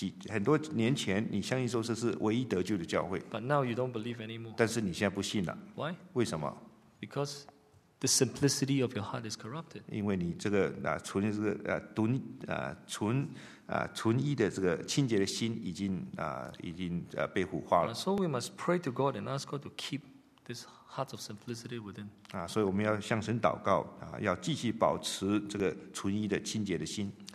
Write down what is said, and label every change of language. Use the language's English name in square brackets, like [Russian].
[Chinese] 很多年前你相信说这是唯一得救的教会。 [English] But now you don't believe anymore. [Chinese] 但是你现在不信了。 [English] Why? [Chinese] 为什么？ [English] Because the simplicity of your heart is corrupted. [Chinese] 因为你这个纯一的这个清洁的心已经被腐化了。 [English] So we must pray to God and ask God to keep this heart of simplicity within. [Chinese] 所以我们要向神祷告要继续保持这个纯一的清洁的心。